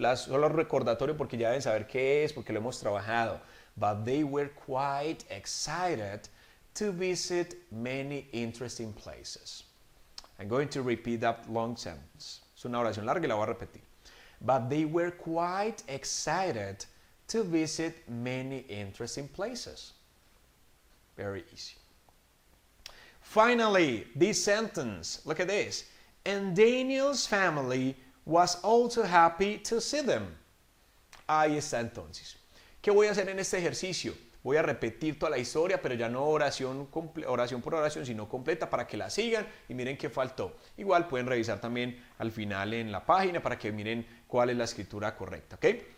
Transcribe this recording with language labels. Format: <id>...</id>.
<es>Solo recordatorio porque ya deben saber qué es, porque lo hemos trabajado.</es> <en>But they were quite excited to visit many interesting places. I'm going to repeat that long sentence.</en> <es>Es una oración larga y la voy a repetir.</es> <en>But they were quite excited to visit many interesting places. Very easy. Finally, this sentence. Look at this. And Daniel's family was also happy to see them.</en> <es>Ahí está entonces. ¿Qué voy a hacer en este ejercicio? Voy a repetir toda la historia, pero ya no oración por oración, sino completa para que la sigan y miren qué faltó. Igual pueden revisar también al final en la página para que miren cuál es la escritura correcta, ¿ok?</es>